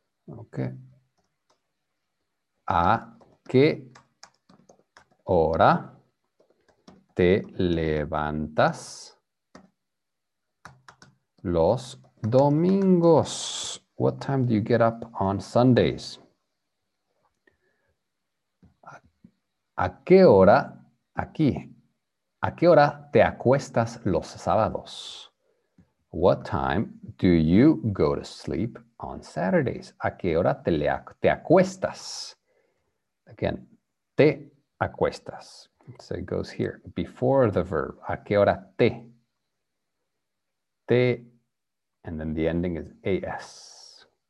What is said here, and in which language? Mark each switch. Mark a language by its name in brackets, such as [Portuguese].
[Spanish] Okay. ¿A qué hora te levantas los domingos? [English] What time do you get up on Sundays? [Spanish] ¿A qué hora, aquí, a qué hora te acuestas los sábados? [English] What time do you go to sleep on Saturdays? [Spanish] ¿A qué hora te acuestas? [English] Again, [Spanish] te acuestas. [English] So it goes here, before the verb. [Spanish] ¿A qué hora te? [English] Te, and then the ending is AS.